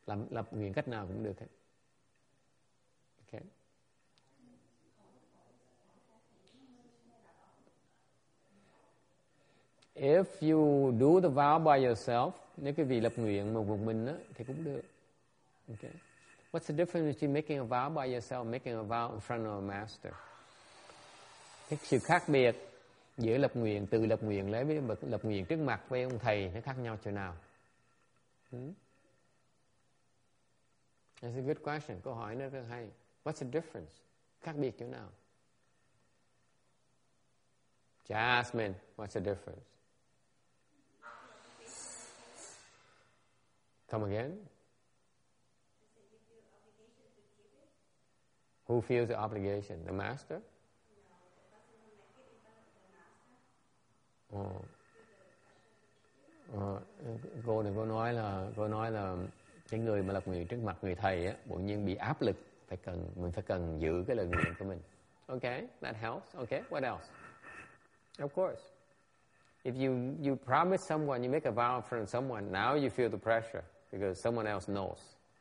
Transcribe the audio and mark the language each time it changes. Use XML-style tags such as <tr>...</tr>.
<vi>Lập nguyện cách nào cũng được hết.</vi> <en>If you do the vow by yourself,</en> <vi>nếu quý vị lập nguyện một mình á, thì cũng được.</vi> <en>Okay. What's the difference between making a vow by yourself and making a vow in front of a master?</en> <vi>Cái sự khác biệt giữa lập nguyện, từ lập nguyện lấy với lập nguyện trước mặt với ông thầy, nó khác nhau chỗ nào?</vi> <en>That's a good question.</en> <vi>Câu hỏi nó rất hay.</vi> <en>What's the difference?</en> <vi>Khác biệt chỗ nào?</vi> <en>Jasmine, what's the difference? Come again? Who feels the obligation? The master?</en> <vi>Cô nói là cái người mà lập nguyện trước mặt người thầy á, bỗng nhiên bị áp lực, phải cần giữ cái lời nguyện của mình.</vi> <en>Okay, that helps. Okay, what else? Of course. If you promise someone, you make a vow in front of someone, now you feel the pressure because someone else knows.</en>